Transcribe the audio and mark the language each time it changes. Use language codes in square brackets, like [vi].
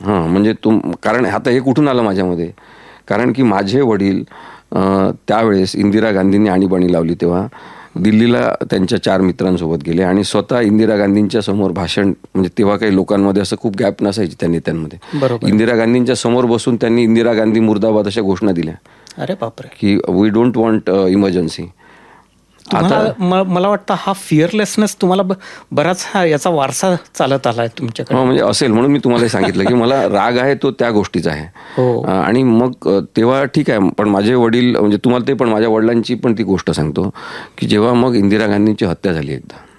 [mr] हां, म्हणजे तुम कारण आता हे कुठून आलं माझ्यामध्ये, कारण की माझे वडील त्यावेळेस इंदिरा गांधींनी आणीबाणी लावली तेव्हा दिल्लीला त्यांच्या चार मित्रांसोबत गेले आणि स्वतः इंदिरा गांधींच्या समोर भाषण, म्हणजे तेव्हा काही लोकांमध्ये असं खूप गॅप नसायची त्या नेत्यांमध्ये. बरोबर. इंदिरा गांधींच्या समोर बसून त्यांनी इंदिरा गांधी मुर्दाबाद अशा घोषणा दिल्या. अरे बापरे. [en] की we don't want emergency. [mr] आता मला वाटतं हा फिअरलेसनेस तुम्हाला बराच याचा वारसा चालत आला आहे तुमच्याकडे. म्हणजे असेल म्हणून मी तुम्हाला सांगितलं की मला राग आहे तो त्या गोष्टीचा आहे. आणि मग तेव्हा ठीक आहे, पण माझे वडील म्हणजे तुम्हाला ते, पण माझ्या वडिलांची पण ती गोष्ट सांगतो की जेव्हा मग इंदिरा गांधींची हत्या झाली एकदा.